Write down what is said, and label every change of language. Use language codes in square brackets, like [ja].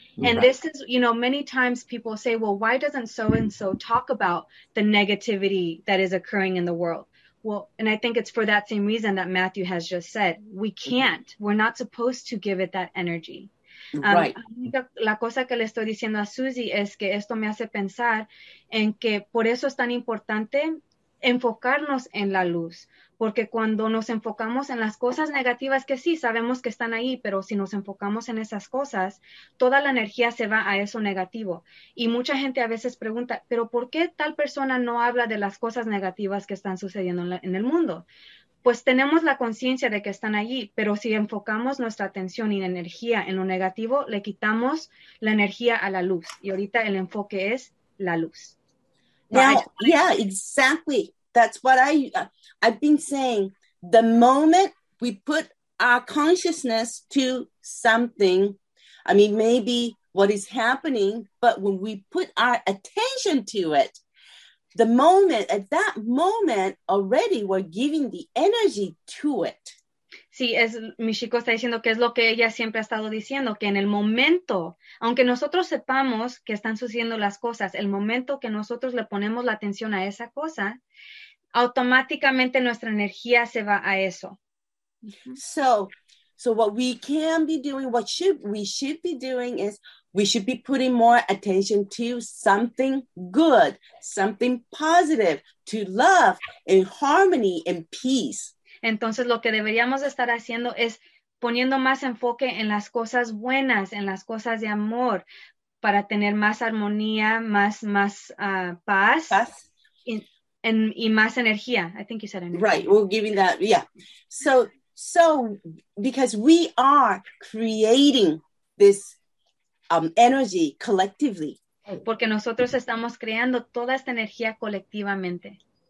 [en] And this is, you know, many times people say, well, why doesn't so-and-so talk about the negativity that is occurring in the world? Well, and I think it's for that same reason that Matthew has just said, we can't, we're not supposed to give it that energy. Right. [es] La cosa que le estoy diciendo a Susie es que esto me hace pensar en que por eso es tan importante enfocarnos en la luz, porque cuando nos enfocamos en las cosas negativas, que sí, sabemos que están ahí, pero si nos enfocamos en esas cosas, toda la energía se va a eso negativo. Y mucha gente a veces pregunta, ¿pero por qué tal persona no habla de las cosas negativas que están sucediendo en el mundo? Pues tenemos la conciencia de que están allí, pero si enfocamos nuestra atención y energía en lo negativo, le quitamos la energía a la luz. Y ahorita el enfoque es la luz. [en] Now, yeah, exactly. That's what I've been saying. The moment we put our consciousness to something, I mean, maybe what is happening, but when we put our attention to it, the moment, at that moment, already we're giving the energy to it. [es] Sí, es, mi chico está diciendo que es lo que ella siempre ha estado diciendo, que en el momento, aunque nosotros sepamos que están sucediendo las cosas, el momento que nosotros le ponemos la atención a esa cosa, automáticamente nuestra energía se va a eso. [en] So what we can be doing, what we should be doing is we should be putting more attention to something good, something positive, to love and harmony and peace. [es] Entonces, lo que deberíamos estar haciendo es poniendo más enfoque en las cosas buenas, en las cosas de amor, para tener más armonía, más paz, paz. Y más energía. [en] I think you said energy. Right, we're giving that, yeah. So because we are creating this energy collectively. [es] Porque nosotros estamos creando toda esta energía colectivamente.